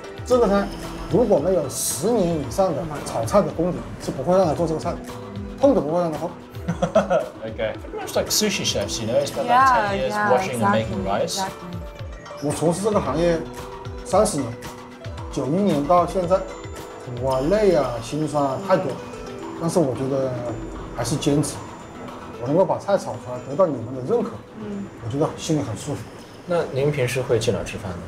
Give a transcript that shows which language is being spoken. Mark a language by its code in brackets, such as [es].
[zh] 这个菜如果没有十年以上的炒菜的功底，是不会让他做这个菜，碰都不会让他碰。 [en] Okay, much like sushi chefs, you know, it's about 10 years washing and making rice. [zh] 我从事这个行业30年，91年到现在。我累啊，心酸啊，太多，但是我觉得还是坚持，我能够把菜炒出来，得到你们的认可，我觉得心里很舒服。那您平时会去哪吃饭呢？